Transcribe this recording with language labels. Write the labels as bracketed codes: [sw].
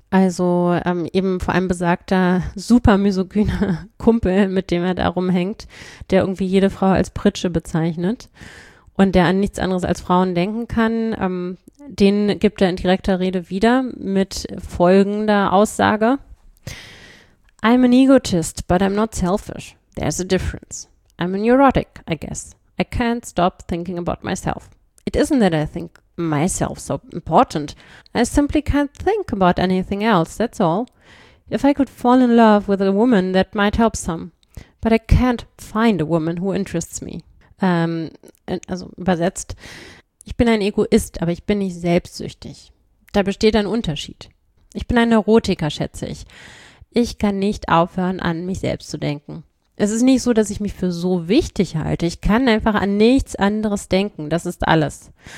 [de] Also eben vor allem besagter super misogyner Kumpel, mit dem er da rumhängt, der irgendwie jede Frau als Pritsche bezeichnet und der an nichts anderes als Frauen denken kann, den gibt er in direkter Rede wieder mit folgender Aussage. [en] I'm an egotist, but I'm not selfish. There's a difference. I'm a neurotic, I guess. I can't stop thinking about myself. It isn't that I think myself so important. I simply can't think about anything else, that's all. If I could fall in love with a woman, that might help some. But I can't find a woman who interests me. [de] Also übersetzt, ich bin ein Egoist, aber ich bin nicht selbstsüchtig. Da besteht ein Unterschied. Ich bin ein Neurotiker, schätze ich. Ich kann nicht aufhören, an mich selbst zu denken. Es ist nicht so, dass ich mich für so wichtig halte. Ich kann einfach an nichts anderes denken. Das ist alles.